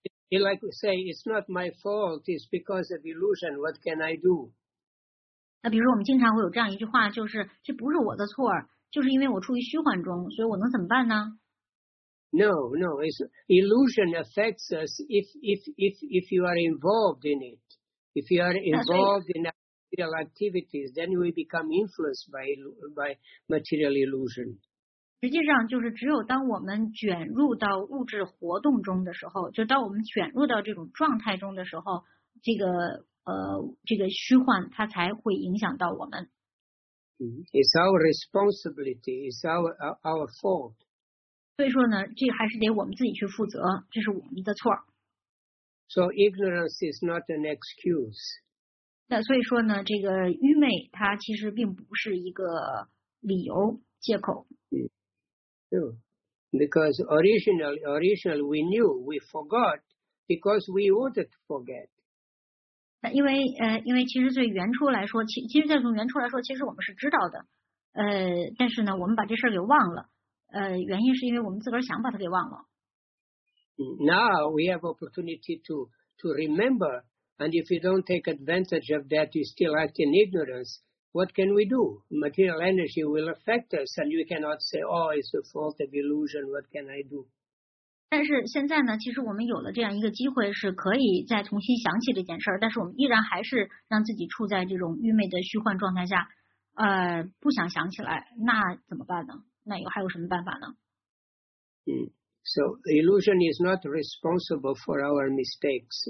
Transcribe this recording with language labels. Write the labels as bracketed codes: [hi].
[en] Like we say, it's not my fault. It's because of illusion. What can I do? [zh] 那比如说，我们经常会有这样一句话，就是这不是我的错，就是因为我处于虚幻中，所以我能怎么办呢 [en] ？No. It's illusion affects us if you are involved in it. If you are involved in material activities, then we become influenced by material illusion. [zh] 实际上就是只有当我们卷入到物质活动中的时候，就当我们卷入到这种状态中的时候，这个虚幻它才会影响到我们。 [en] It's our responsibility, it's our fault. [zh] 所以说呢，这还是得我们自己去负责，这是我们的错。 [en] So ignorance is not an excuse. [zh] 那所以说呢，这个愚昧它其实并不是一个理由借口。 [en] Because originally we knew, we forgot because we wanted to forget. [zh] 因为其实最原初来说，其实再从原初来说，其实我们是知道的。但是呢，我们把这事儿给忘了。原因是因为我们自个儿想把它给忘了。 [en] Now we have opportunity to remember, and if we don't take advantage of that, we still act in ignorance. What can we do? Material energy will affect us, and you cannot say, "Oh, it's the fault of illusion." What can I do? [zh] 但是现在呢，其实我们有了这样一个机会，是可以再重新想起这件事儿。但是我们依然还是让自己处在这种愚昧的虚幻状态下，不想想起来，那怎么办呢？那有还有什么办法呢？ [en] So illusion is not responsible for our mistakes.